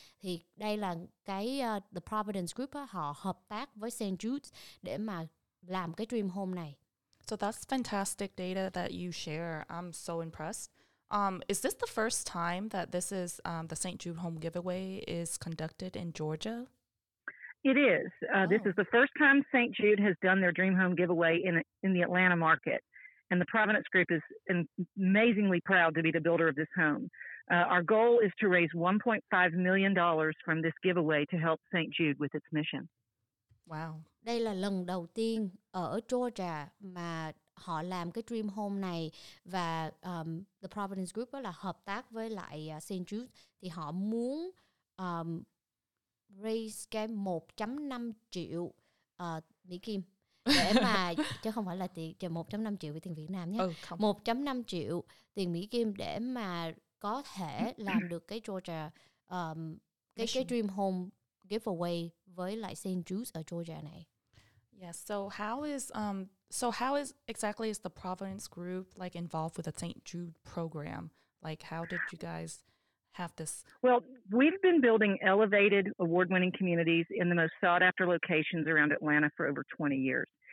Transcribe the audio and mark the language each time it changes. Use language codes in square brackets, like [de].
[vi] Thì đây là cái The Providence Group, họ hợp tác với St. Jude's để mà làm cái Dream Home này. [en] So that's fantastic data that you share. I'm so impressed. Is this the first time that this is the St. Jude Home Giveaway is conducted in Georgia? It is. This is the first time St. Jude has done their Dream Home Giveaway in the Atlanta market. And the Providence Group is amazingly proud to be the builder of this home. Our goal is to raise $1.5 million from this giveaway to help St. Jude with its mission. Wow. [vi] Đây là lần đầu tiên ở Georgia mà họ làm cái Dream Home này, và The Providence Group là hợp tác với lại St. Jude, thì họ muốn raise cái 1.5 triệu Mỹ Kim để mà chứ không phải là tiền 1.5 triệu tiền Việt Nam nhé. 1.5 triệu tiền Mỹ Kim để mà có thể làm được cái Georgia cái Dream Home Giveaway với lại St. Jude ở Georgia này. [en] Yes, so how is exactly is the Providence Group like involved with the St. Jude program? Like how did you guys have this? Well, we've been building elevated award-winning communities in the most sought-after locations around Atlanta for over 20 years.